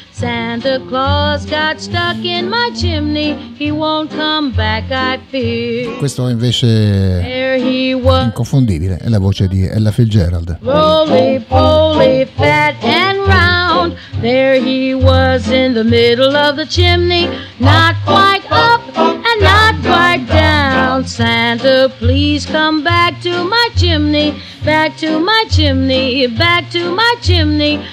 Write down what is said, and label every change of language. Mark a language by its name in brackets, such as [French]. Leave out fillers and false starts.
[English] Santa Claus got stuck in my chimney. He won't come back, I fear. [Italian] Questo invece è inconfondibile, è la voce di Ella Fitzgerald. [English] Roly poly, fat and round. There he was in the middle of the chimney. Not quite up and not quite down. Santa, please come back to my chimney. Back to my chimney, back to my chimney.